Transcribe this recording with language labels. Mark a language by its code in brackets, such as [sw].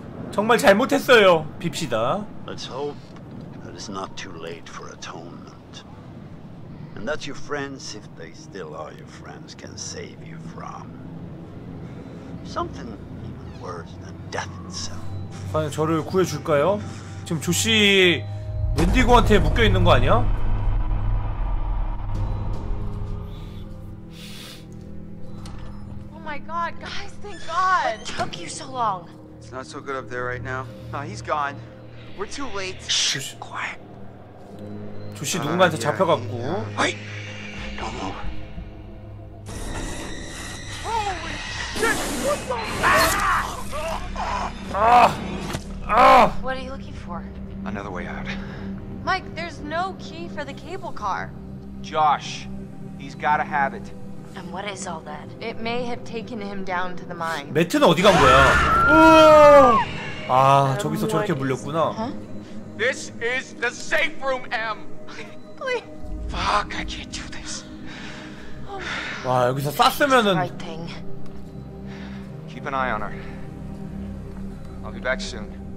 [ko] 정말 잘못했어요. 빕시다. [en] Let's hope that it's not too late for atonement. And that your friends, if they still are your friends, can save you from something even worse than death itself. [ko] 아니, 저를 구해줄까요? 지금 조씨 웬디고한테 묶여 있는 거 아니야? [en] 오 마이 갓, guys, thank God. What took you so long? It's not so good up there right now. Oh, he's gone. We're too late. Shh, quiet. [ko] 조씨 누군가한테 잡혀갔고. 아이, 너무. [en] Holy shit! What the? 아! What are you looking for? Another way out. Mike, there's no key for the cable car. Josh, he's gotta have it. And what is all that? It may have taken him down to the mine. [ko] 매트는 어디 간 거야? 아, 저기서 저렇게 물렸구나. [en] This is the safe room, M. Fuck, I can't do this. [ko] 와, 여기서 쐈으면은. [en] Keep an eye on her. I'll be back soon.